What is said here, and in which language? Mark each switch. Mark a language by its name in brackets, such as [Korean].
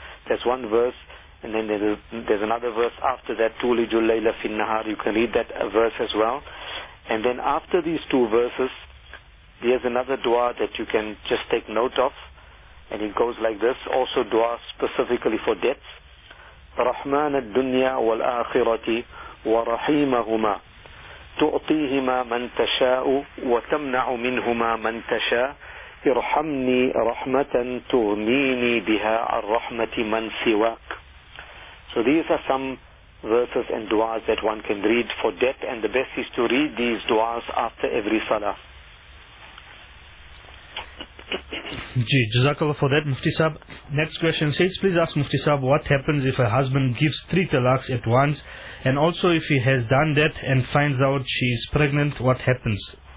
[English] That's one verse, and then there's another verse after that, [Arabic] tuliju al-layla fi al-nahar, [English] you can read that verse as well. And then after these two verses, there's another dua that you can just take note of. And it goes like this, also dua specifically for debts. [Arabic] رحمن الدنيا والآخرة ورحيمهما تعطيهما من تشاء وتمنع منهما من تشاء ارحمني رحمة تغنيني بها عن رحمة من سواك. [English] So these are some verses and duas that one can read for debt, and the best is to read these duas after every salah. Gee, Jazakallah for that, Mufti Sahab. Next question says, please ask Mufti Sahab, what happens if a husband gives three talaqs at once, and also if he has done that and finds out she is pregnant, what happens?